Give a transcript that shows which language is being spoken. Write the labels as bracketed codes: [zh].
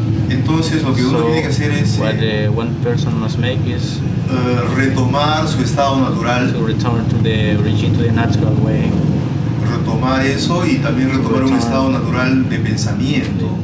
[es] Entonces lo que uno tiene que hacer es [en] One person must make is [es] retomar su estado natural, [en] to return to the origin, to the natural way. [es] Retomar eso y también retomar un estado natural de pensamiento.